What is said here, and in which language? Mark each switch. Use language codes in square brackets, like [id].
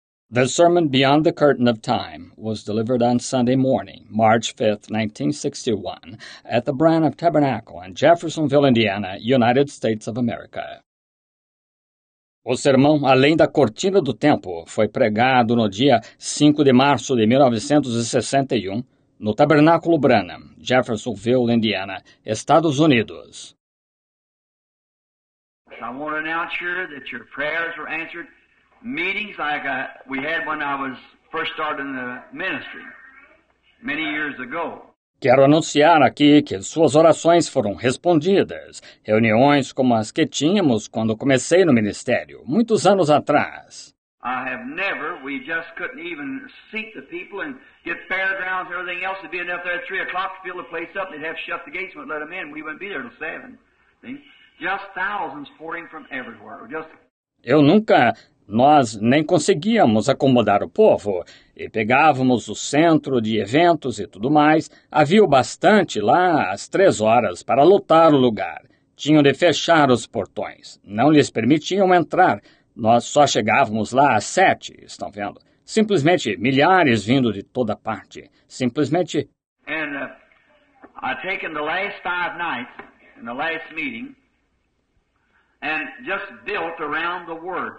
[en] The sermon Beyond the Curtain of Time was delivered on Sunday morning, March 5, 1961, at the Branham Tabernacle in Jeffersonville, Indiana, United States of America. [pt] O sermão Além da Cortina do Tempo foi pregado no dia 5 de março de 1961, no Tabernáculo Branham, Jeffersonville, Indiana, Estados Unidos. [en] I want to announce here that your prayers were answered. Meetings like we had when I was first starting the ministry many years ago. [pt] Quero anunciar aqui que suas orações foram respondidas. Reuniões como as que tínhamos quando comecei no ministério, muitos anos atrás. [en] I have never, we just couldn't even seat the people and get fairgrounds and everything else to be enough there at 3 o'clock to fill the place up. They'd have to shut the gates and let them in. We wouldn't be there till 7. See? Just thousands pouring from everywhere. Just... [pt] Eu nunca... Nós nem conseguíamos acomodar o povo e pegávamos o centro de eventos e tudo mais. Havia o bastante lá às 3 horas para lotar o lugar. Tinham de fechar os portões. Não lhes permitiam entrar. Nós só chegávamos lá às 7, estão vendo? Simplesmente milhares vindo de toda parte. Simplesmente... [en] And I've taken the last 5 nights in the last meeting... And just built around the Word.